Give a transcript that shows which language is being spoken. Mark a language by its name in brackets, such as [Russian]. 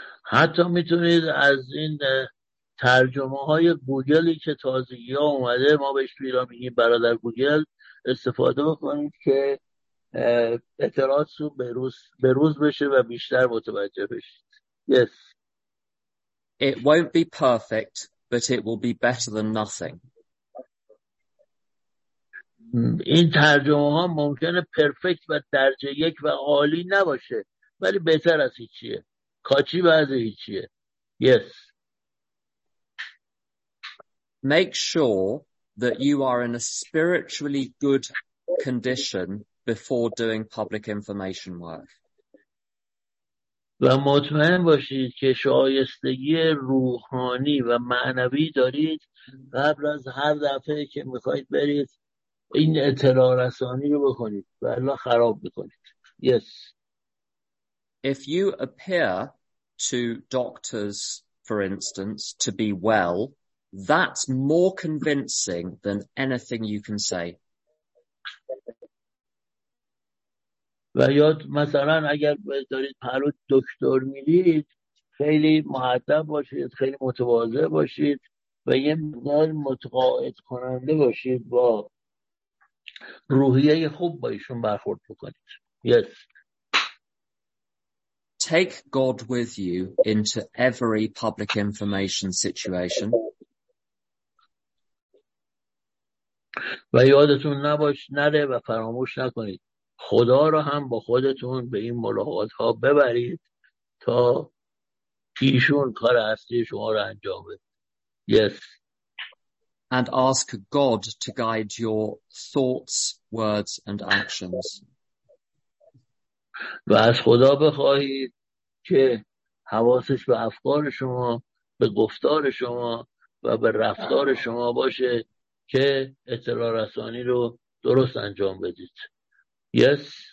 [Persian] حتی میتونید از این ترجمه های گوگلی که تازگی ها اومده ما بهش بیرام میگیم برادر گوگل استفاده بکنید که اطلاعات رو بروز بشه و بیشتر متوجه بشید. [English] Yes. It won't be perfect, but it will be better than nothing. [Persian] این ترجمه ها ممکنه پرفکت و درجه یک و عالی نباشه، ولی بهتر از هیچیه. کاچی بعضی هیچیه. [English] Yes. Make sure that you are in a spiritually good condition before doing public information work. [Persian] و مطمئن باشید که شایستگی روحانی و معنوی دارید قبل از هر دفعه که میخواید برید این اطلاع رسانی رو بکنید و الله خراب بکنید. [English] Yes. If you appear to doctors, for instance, to be well, that's more convincing than anything you can say. [Persian] و یا مثلا اگر دارید پرو دکتر میرید خیلی مؤدب باشید، خیلی متواضع باشید و یه مقدار متقاعد کننده باشید، با روحیه خوب با ایشون برخورد بکنید. [English] Yes. Take God with you into every public information situation. [Persian] و یادتون نباش نره و فراموش نکنید خدا را هم با خودتون به این ملاقات ها ببرید تا ایشون کار اصلی شما را انجام بده. [English] Yes. And ask God to guide your thoughts, words, and actions. [Persian] و از خدا بخواهید که حواسش به افکار شما، به گفتار شما و به رفتار شما باشه که اطلاع رسانی رو درست انجام بدید. [English] Yes.